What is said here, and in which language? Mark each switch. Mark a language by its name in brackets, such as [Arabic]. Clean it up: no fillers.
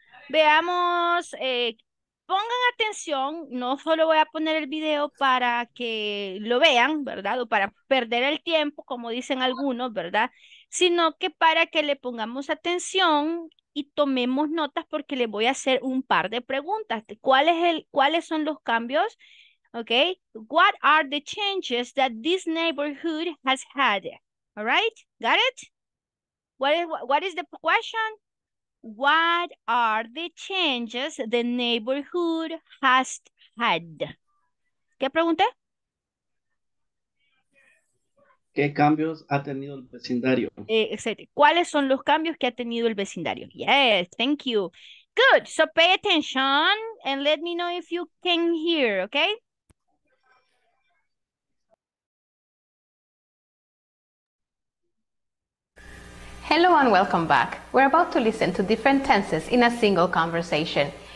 [Spanish] Veamos, pongan atención, no solo voy a poner el video para que lo vean, ¿verdad? O para perder el tiempo, como dicen algunos, ¿verdad? Sino que para que le pongamos atención y tomemos notas porque les voy a hacer un par de preguntas. ¿Cuáles son los cambios? Okay. [English] What are the changes that this neighborhood has had? All right. Got it? What is the question? What are the changes the neighborhood has had? [Spanish] ¿Qué pregunté? ¿Qué cambios ha tenido el vecindario? [English] Exactly. [Spanish] ¿Cuáles son los cambios que ha tenido el vecindario? [English] Yes, thank you. Good. So pay attention and let me know if you can hear, okay? Hello and welcome back. We're about to listen to different tenses in a single conversation.